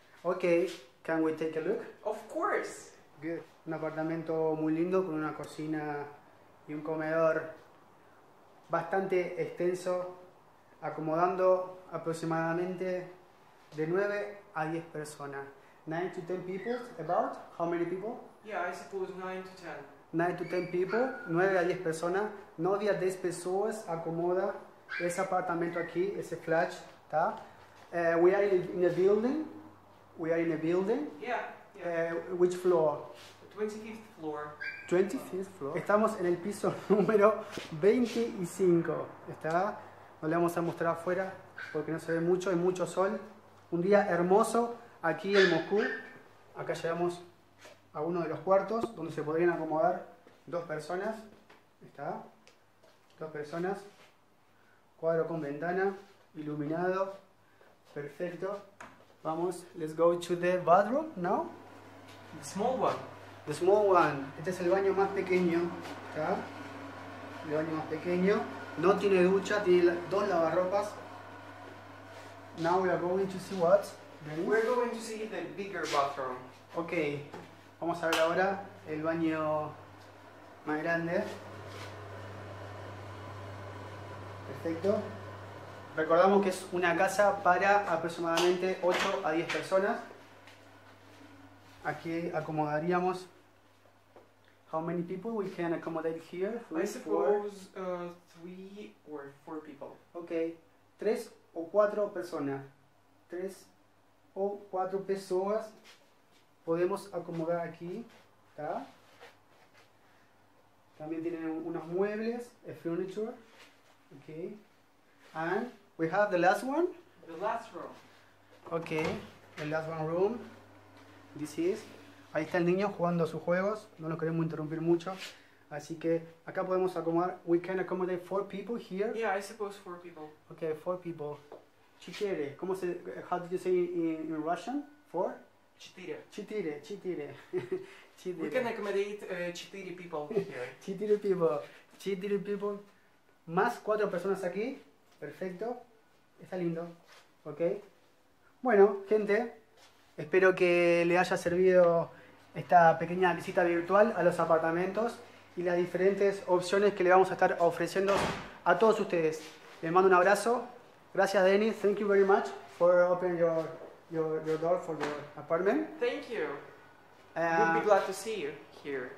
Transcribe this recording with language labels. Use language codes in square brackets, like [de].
[en] Okay, can we take a look? Of course. Good. [es] Un apartamento muy lindo con una cocina y un comedor bastante extenso, acomodando aproximadamente de 9 a 10 personas. [en] 9 to 10 people, about how many people? Yeah, I suppose 9 to 10. 9 to 10 people, [es] 9 a 10 personas, 9 a 10 personas acomoda ese apartamento aquí, ese flat, ¿está? [en] We are in a building. We are in a building. Yeah. Which floor? The 25th floor. 25th floor. [es] Estamos en el piso número 25, ¿está? No le vamos a mostrar afuera porque no se ve mucho, hay mucho sol. Un día hermoso aquí en Moscú. Acá llegamos a uno de los cuartos donde se podrían acomodar dos personas. ¿Está? Dos personas. Cuadro con ventana. Iluminado. Perfecto. Vamos, [en] let's go to the bathroom now. The small one. The small one. [es] Este es el baño más pequeño. ¿Está? El baño más pequeño. No tiene ducha, tiene dos lavarropas. [en] Now we are going to see what? We're going to see the bigger bathroom. Ok. [es] Vamos a ver ahora el baño más grande. Perfecto. Recordamos que es una casa para aproximadamente 8 a 10 personas. Aquí acomodaríamos. [en] How many people we can accommodate here? I Three, four. suppose 3 or 4 people. [es] Ok. 3 o 4 personas. 3 o 4 personas. Podemos acomodar aquí, ¿tá? También tienen unos muebles, [en] a furniture. Okay. And we have the last one. The last room. Okay, the last one room. This is. [es] Ahí está el niño jugando a sus juegos. No lo queremos interrumpir mucho. Así que acá podemos acomodar. [en] We can accommodate 4 people here. Yeah, I suppose 4 people. Okay, 4 people. Chitere. [es] ¿Cómo se, [en] how did you say in Russian? Four? [ru] Chitire, chitire, [en] We can accommodate 4 people here. [es] Chitire [en] people. [es] Más 4 personas aquí. Perfecto. Está lindo. Ok. Bueno, gente, espero que le haya servido esta pequeña visita virtual a los apartamentos y las diferentes opciones que le vamos a estar ofreciendo a todos ustedes. Les mando un abrazo. Gracias, Denis. [en] Thank you very much for opening your door for your apartment. Thank you. We'll be glad to see you here.